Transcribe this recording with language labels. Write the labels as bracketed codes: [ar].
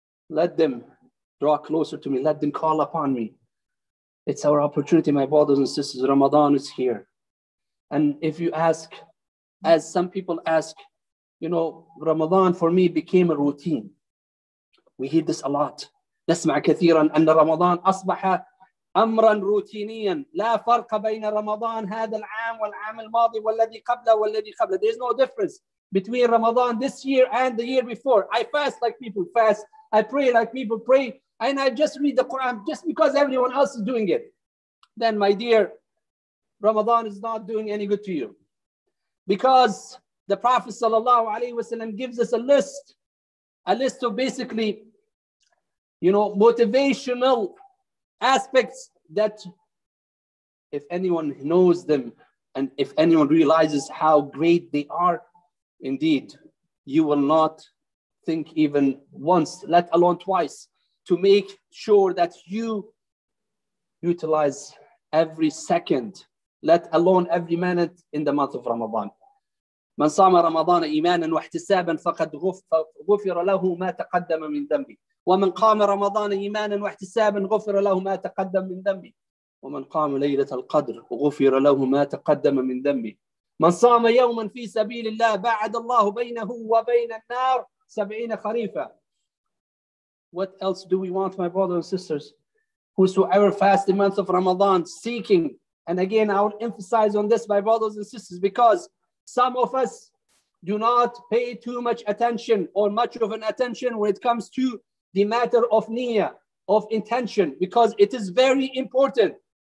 [en] Let them draw closer to me. Let them call upon me. It's our opportunity, my brothers and sisters. Ramadan is here. And if you ask, as some people ask, you know, Ramadan for me became a routine. We hear this a lot. [ar] نسمع كثيرا أن رمضان أصبح أمرا روتينيا لا فرق بين رمضان هذا العام والعام الماضي والذي قبله والذي قبله. [en] There's no difference between Ramadan this year and the year before. I fast like people fast. I pray like people pray. And I just read the Quran just because everyone else is doing it. Then, my dear, Ramadan is not doing any good to you. Because the Prophet sallallahu alaihi wasallam gives us a list of basically, you know, motivational aspects that if anyone knows them and if anyone realizes how great they are, indeed, you will not think even once, let alone twice, to make sure that you utilize every second, let alone every minute in the month of Ramadan. [ar] من صام رمضان إيمانا واحتسابا فقد غفر له ما تقدم من ذنبه ومن قام رمضان إيمانا واحتسابا غفر له ما تقدم من ذنبه ومن قام ليلة القدر غفر له ما تقدم من ذنبه من صام يوما في سبيل الله بعد الله بينه وبين النار 70 خريفا. [en] What else do we want, my brothers and sisters? Whosoever fast the month of Ramadan seeking, and again I will emphasize on this, my brothers and sisters, because some of us do not pay too much attention or much of an attention when it comes to the matter of niyyah, of intention, because it is very important.